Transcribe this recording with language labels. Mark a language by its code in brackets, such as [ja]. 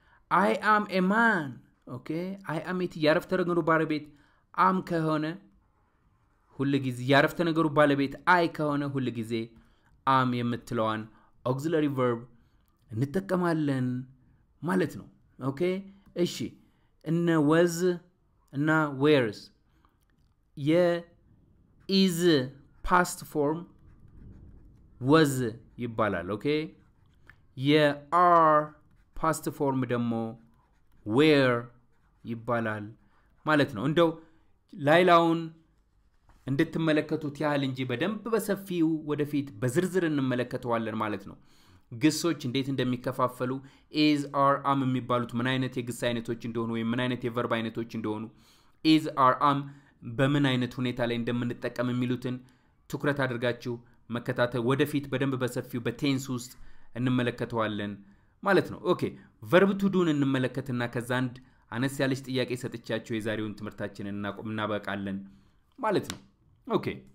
[en] I am a man. Okay? [am] I am it ያረፍተ ነገሩ ባለቤት am ከሆነ ሁሉ ጊዜ ያረፍተ ነገሩ ባለቤት i ከሆነ ሁሉ ጊዜ am የምትለዋን auxiliary verb እንጠቀማለን ማለት ነው። okay? እሺ እነ was እና wears yeah is past form was ይባላል። okay? የአር ፓስት ፎርም ደግሞ ዌር ይባላል ማለት ነው። እንደው ላይላውን እንድትመለከቱት ያህል እንጂ በደንብ በሰፊው ወደፊት በዝርዝር እንመለከተዋለን ማለት ነው። ግሶች እንዴት እንደሚከፋፈሉ is are am የሚባሉት ምን አይነት የግስ አይነቶች እንደሆኑ ወይ ምን አይነት የቨርብ አይነቶች እንደሆኑ is are am በምን አይነት ሁኔታ ላይ እንደምንጠቀም የሚሉትን ትኩረት አድርጋችሁ መከታተል ወደፊት በደንብ በሰፊው በቴንስ ውስጥ እንመለከተዋለን ማለት ነው። ኦኬ verb to do እንመለከትና ከዛ አንድ አነስ ያለች ጥያቄ ሰጥቻችሁ የዛሬውን ትምህርታችንን እናበቃለን ማለት ነው። ኦኬ